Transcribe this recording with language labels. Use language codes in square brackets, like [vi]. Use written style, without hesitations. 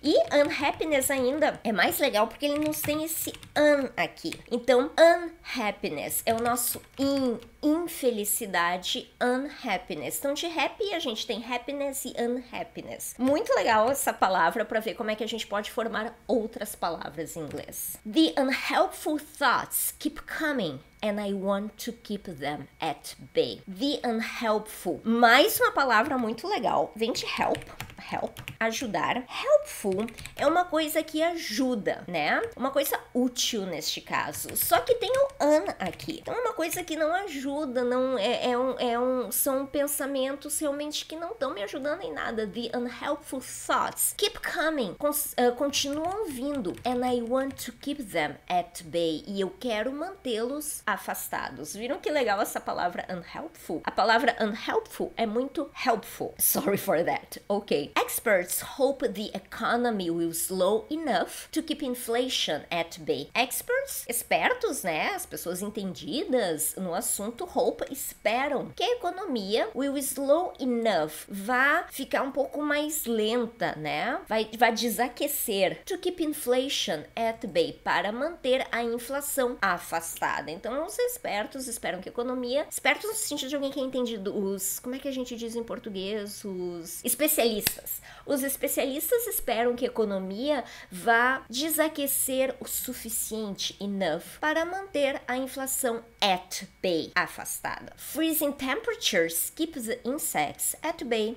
[pt] E unhappiness ainda é mais legal porque ele não tem esse un aqui. Então, unhappiness é o nosso in. Infelicidade, unhappiness. Então, de happy, a gente tem happiness e unhappiness. Muito legal essa palavra para ver como é que a gente pode formar outras palavras em inglês. [en] The unhelpful thoughts keep coming, and I want to keep them at bay. The unhelpful. [pt] Mais uma palavra muito legal. Vem de help. Help. Ajudar. Helpful é uma coisa que ajuda, né? Uma coisa útil neste caso. Só que tem o un aqui. Então, uma coisa que não ajuda, não é, são pensamentos realmente que não estão me ajudando em nada. [en] The unhelpful thoughts keep coming. [pt] Continuam vindo. [en] And I want to keep them at bay. [pt] E eu quero mantê-los afastados. Viram que legal essa palavra unhelpful? A palavra unhelpful é muito helpful. [en] Sorry for that. Ok. Experts hope the economy will slow enough to keep inflation at bay. [pt] Experts, espertos, né? As pessoas entendidas no assunto, hope, esperam que a economia [en] will slow enough, [pt] vá ficar um pouco mais lenta, né? Vai desaquecer. [en] To keep inflation at bay, [pt] para manter a inflação afastada. Então, os espertos esperam que a economia... Espertos no sentido de alguém que é entendido. Os... Como é que a gente diz em português? Os especialistas. Os especialistas esperam que a economia vá desaquecer o suficiente, enough, para manter a inflação at bay, afastada. [en] Freezing temperatures keep the insects at bay.